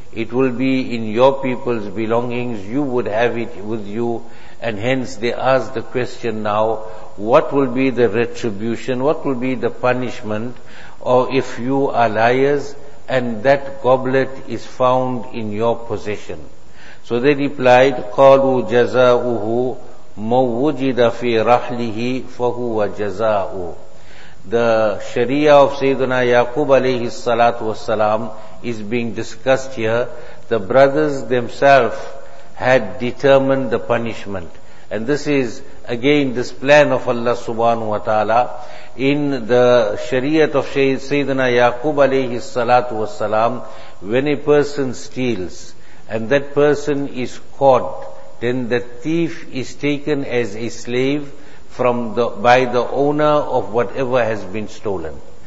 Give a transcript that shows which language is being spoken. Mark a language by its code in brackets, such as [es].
[en] It will be in your people's belongings. You would have it with you. And hence they ask the question now, what will be the retribution? What will be the punishment? Or if you are liars and that goblet is found in your possession. So they replied, [ar] قَالُوا جَزَاؤُهُ مَوْوُجِدَ فِي رَحْلِهِ فَهُوَ جَزَاؤُهُ. [en] The Sharia of Sayyidina Yaqub alayhi salatu wassalam is being discussed here. The brothers themselves had determined the punishment. And this is again this plan of Allah subhanahu wa ta'ala. In the Shariat of Sayyidina Yaqub alayhi salatu wassalam, when a person steals and that person is caught, then the thief is taken as a slave by the owner of whatever has been stolen.